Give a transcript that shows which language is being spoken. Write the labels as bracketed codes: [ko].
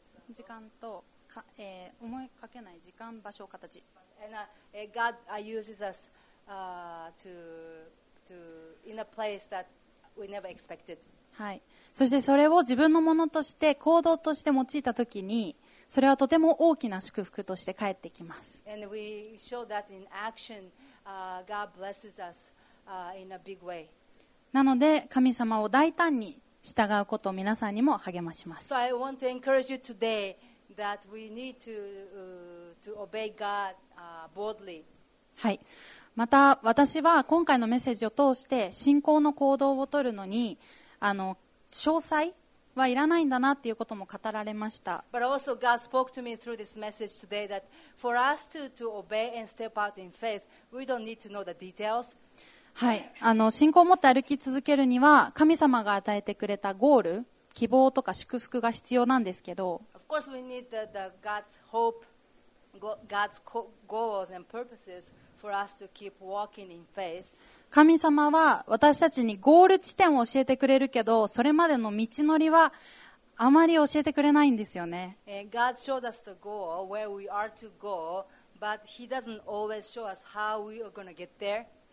[ja] 時間と、思いかけない時間、場所、形。 [en] And God uses us to in a place that we never expected. [ja] はい。そしてそれを自分のものとして、行動として用いたときに、それはとても大きな祝福として返ってきます。 [en] And we show that in action, God blesses us in a big way. [ja] なので、神様を大胆に、従うことを皆さんにも励まします。 [en] So I want to encourage you today that we need to, to obey God, boldly. [ja] はい。また私は今回のメッセージを通して信仰の行動を取るのに詳細はいらないんだなっていうことも語られました。 [en] But also God spoke to me through this message today that for us to obey and step out in faith, we don't need to know the details. [ja] はい、信仰を持って歩き続けるには神様が与えてくれたゴール、希望とか祝福が必要なんですけど、 [en] Of course we need the God's hope, God's goals and purposes for us to keep walking in faith. [ja] 神様は私たちにゴール地点を教えてくれるけど、それまでの道のりはあまり教えてくれないんですよね。 [en] God shows us the goal where we are to go, but he doesn't always show us how we are going to get there.